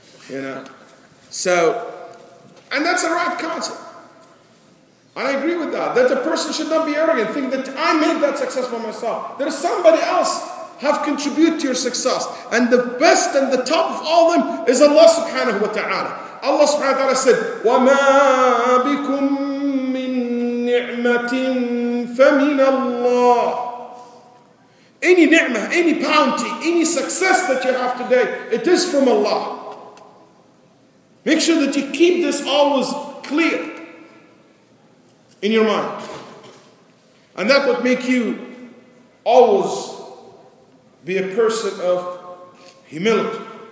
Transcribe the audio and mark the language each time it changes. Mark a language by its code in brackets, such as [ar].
[en] You know, so, and that's the right concept. I agree with that. That a person should not be arrogant, think that I made that success by myself. There is somebody else have contributed to your success. And the best and the top of all them is Allah subhanahu wa ta'ala. Allah subhanahu wa ta'ala said, [ar] وَمَا بِكُم مِّن نِعْمَةٍ فَمِنَ اللَّهِ. [en] Any ni'mah, any bounty, any success that you have today, it is from Allah. Make sure that you keep this always clear in your mind. And that would make you always be a person of humility.